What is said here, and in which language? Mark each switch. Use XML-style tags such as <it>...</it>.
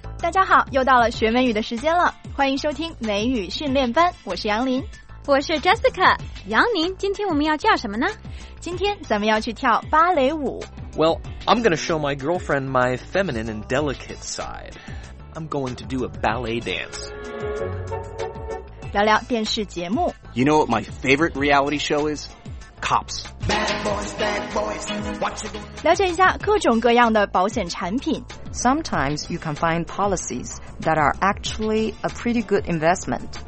<zh>家好，又到了学美语的时间了，欢迎收听美语训练班，我是杨林。我是 Jessica。杨林，今天我们要叫什么呢？今天咱们要去跳芭蕾舞。</zh> <en>Well, I'm gonna show my girlfriend my feminine and delicate side. I'm going to do a ballet dance.</en> <zh>聊聊电视节目。</zh> <en>You know what my favorite reality show is? Cops. Bad boys, bad boys. What you gonna...</en> <zh>了解一下各种各样的保险产品。</zh> <en>Sometimes you can find policies that are actually a pretty good investment.</en>